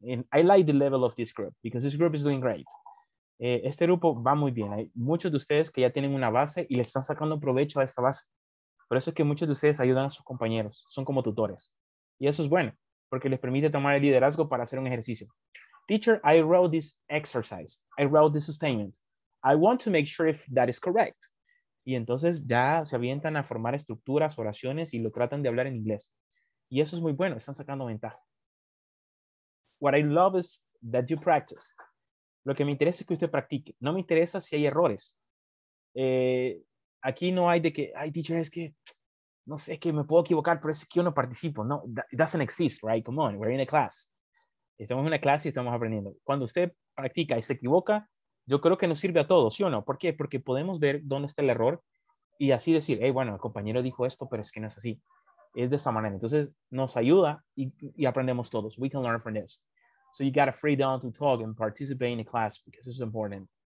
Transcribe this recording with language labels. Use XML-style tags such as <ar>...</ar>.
<en>And I like the level of this group because this group is doing great.</en> <es>Este grupo va muy bien. Hay muchos de ustedes que ya tienen una base y le están sacando provecho a esta base. Por eso es que muchos de ustedes ayudan a sus compañeros. Son como tutores. Y eso es bueno, porque les permite tomar el liderazgo para hacer un ejercicio.</es> <en>Teacher, I wrote this exercise. I wrote this statement. I want to make sure if that is correct.</en> <es>Y entonces ya se avientan a formar estructuras, oraciones y lo tratan de hablar en inglés. Y eso es muy bueno. Están sacando ventaja.</es> <en>What I love is that you practice.</en> <es>Lo que me interesa es que usted practique. No me interesa si hay errores. Aquí no hay de que, ay, teacher, es que no sé, que me puedo equivocar, pero es que yo no participo.</es> <en>No, it doesn't exist, right? Come on, we're in a class.</en> <es>Estamos en una clase y estamos aprendiendo. Cuando usted practica y se equivoca, yo creo que nos sirve a todos, ¿sí o no? ¿Por qué? Porque podemos ver dónde está el error y así decir, hey, bueno, el compañero dijo esto, pero es que no es así. Es de esta manera. Entonces, nos ayuda y aprendemos todos.</es> <en>We can learn from this. So you got a freedom to talk and participate in a class because this is important.</en>